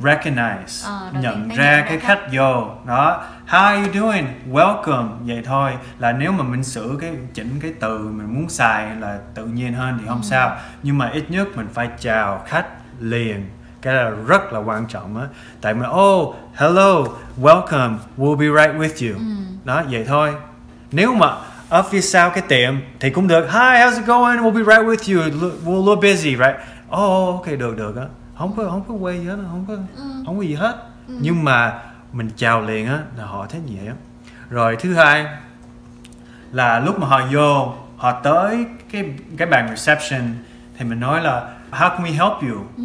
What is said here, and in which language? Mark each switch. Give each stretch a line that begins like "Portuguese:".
Vietnamese: Recognize, nhận ra cái khách vô. Đó,
English: how are you doing? Welcome,
Vietnamese: vậy thôi. Là nếu mà mình sửa cái, chỉnh cái từ mình muốn xài là tự nhiên hơn thì không sao. Nhưng mà ít nhất mình phải chào khách liền. Cái là rất là quan trọng á. Tại mình,
English: oh, hello, welcome, we'll be right with you.
Vietnamese: Đó, vậy thôi. Nếu mà ở phía sau cái tiệm thì cũng được.
English: Hi, how's it going? We'll be right with you. We're a little busy, right?
Vietnamese: Oh, okay, được á. Không có quay gì hết, không có gì hết. Nhưng mà mình chào liền á là họ thấy nhẹ. Rồi thứ hai là lúc mà họ vô, họ tới cái bàn reception thì mình nói là
English: how can we help you?